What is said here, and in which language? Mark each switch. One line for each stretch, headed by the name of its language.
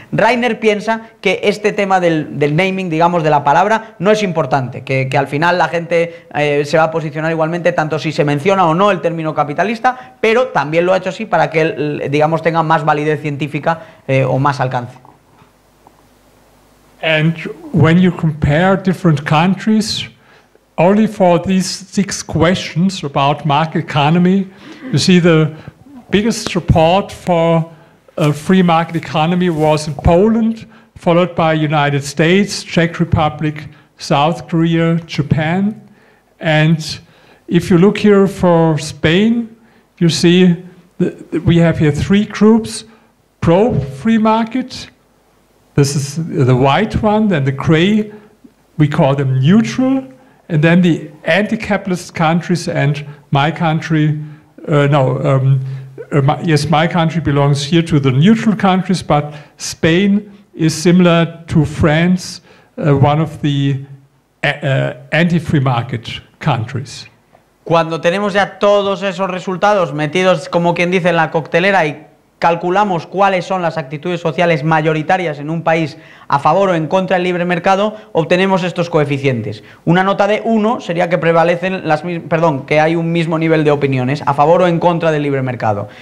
Spanish: Rainer piensa que este tema del naming, digamos, de la palabra no es importante, que al final la gente se va a posicionar igualmente tanto si se menciona o no el término capitalista, pero también lo ha hecho así para que él, digamos, tenga más validez científica o más alcance.
English: And when you compare different countries, only for these 6 questions about market economy, you see the biggest support for a free market economy was in Poland, followed by United States, Czech Republic, South Korea, Japan. And if you look here for Spain, you see we have here 3 groups, pro-free market, this is the white one, then the gray, we call them neutral, And then the anti-capitalist countries and my country, my country belongs here to the neutral countries, but Spain is similar to France, one of the anti-free market countries.
Spanish: Cuando tenemos ya todos esos resultados metidos, como quien dice, en la coctelera y calculamos cuáles son las actitudes sociales mayoritarias en un país a favor o en contra del libre mercado, obtenemos estos coeficientes. Una nota de 1 sería que prevalecen que hay un mismo nivel de opiniones a favor o en contra del libre mercado.